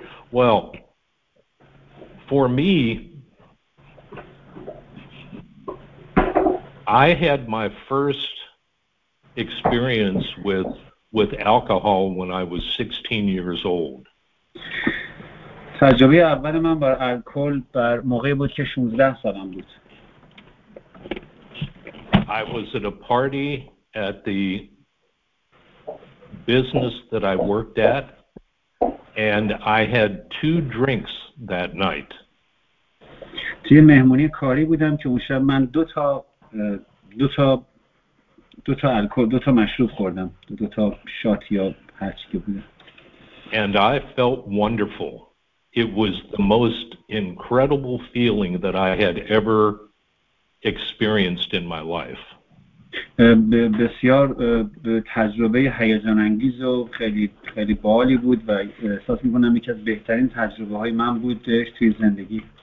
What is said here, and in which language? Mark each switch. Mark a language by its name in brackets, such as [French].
[English] Well, for me, I had my first experience with alcohol when I was 16 years old. [Persian] تجربه اول من با الکل بر موقعی بود که 16 سالم بود. [English] I was at a party at the business that I worked at, and I had two drinks that night. [Persian] توی مهمونی کاری بودم که اون شب من دو تا الکل، دو تا مشروب خوردم، دو تا شات یا هر چی که بود. [English] And I felt wonderful. It was the most incredible feeling that I had ever experienced in my life. [Persian] بسیار تجربه هیجان انگیز و خیلی خیلی باحالی بود و احساس می‌کنم یکی از بهترین تجربه‌های من بود توی زندگی.